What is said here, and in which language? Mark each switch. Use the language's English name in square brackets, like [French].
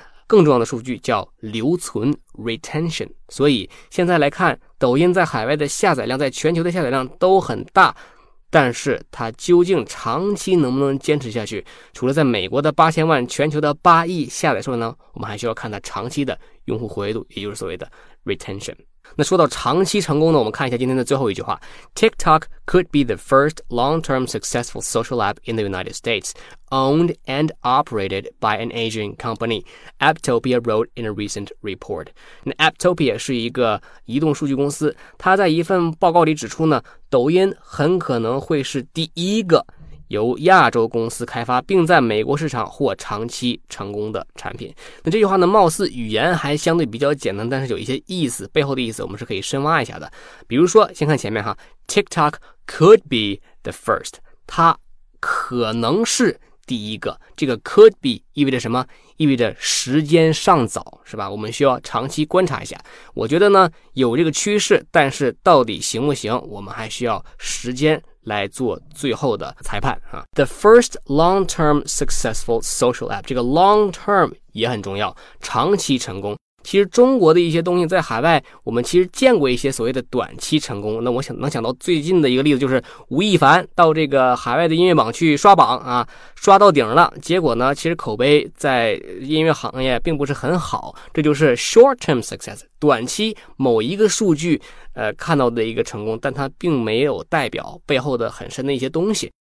[Chinese] 更重要的数据叫留存 retention。所以现在来看，抖音在海外的下载量，在全球的下载量都很大，但是它究竟长期能不能坚持下去，除了在美国的8000万全球的8亿下载数呢，我们还需要看它长期的用户活跃度，也就是所谓的 retention。那说到长期成功呢，我们看一下今天的最后一句话。 [English] TikTok could be the first long-term successful social app in the United States owned and operated by an Asian company, Apptopia wrote in a recent report。 [Chinese] 那 Apptopia 是一个移动数据公司，它在一份报告里指出呢，抖音很可能会是第一个由亚洲公司开发并在美国市场获长期成功的产品。那这句话呢，貌似语言还相对比较简单，但是有一些意思，背后的意思我们是可以深挖一下的。比如说先看前面哈， [English] TikTok could be the first， [Chinese] 它可能是第一个。这个 [English] could be [Chinese] 意味着什么？意味着时间尚早，是吧？我们需要长期观察一下。我觉得呢，有这个趋势，但是到底行不行，我们还需要时间来做最后的裁判啊。 [English] The first long-term successful social app， 这个 long-term [Chinese] 也很重要，长期成功。其实中国的一些东西在海外，我们其实见过一些所谓的短期成功。那我想能想到最近的一个例子，就是吴亦凡到这个海外的音乐榜去刷榜啊，刷到顶了，结果呢其实口碑在音乐行业并不是很好。这就是 [English] short term success， [Chinese] 短期某一个数据看到的一个成功，但它并没有代表背后的很深的一些东西。